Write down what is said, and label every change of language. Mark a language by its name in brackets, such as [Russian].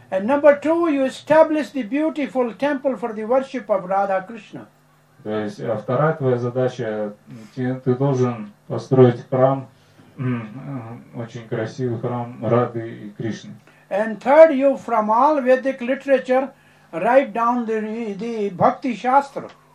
[English] And number two, you establish the beautiful temple for the worship of Radha Krishna. [Russian] То есть, а вторая твоя задача, ты должен построить храм, очень красивый храм Рады и Кришны. [English] And third, you from all Vedic literature write down the Bhakti Shastra.